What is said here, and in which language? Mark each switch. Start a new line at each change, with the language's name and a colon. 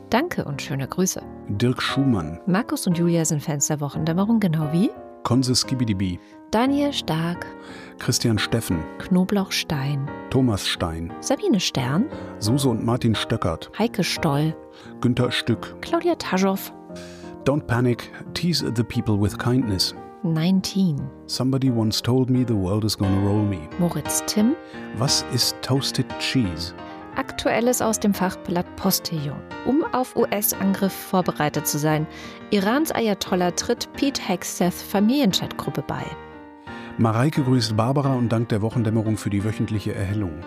German: Danke und schöne Grüße. Dirk Schumann. Markus und Julia sind Fans der Wochendämmerung, genau wie? Konsis Gibidibi. Daniel Stark. Christian Steffen. Knoblauchstein. Thomas Stein. Sabine Stern. Suse und Martin Stöckert. Heike Stoll. Günther Stück. Claudia Taschow.
English: Don't panic, tease the people with kindness.
German: 19.
English: Somebody once told me the world is gonna roll me.
German: Moritz Tim. Was ist Toasted Cheese? Aktuelles aus dem Fachblatt Postillon. Um auf US-Angriff vorbereitet zu sein, Irans Ayatollah tritt Pete Hegseth Familienchatgruppe bei. Mareike grüßt Barbara und dankt der Wochendämmerung für die wöchentliche Erhellung.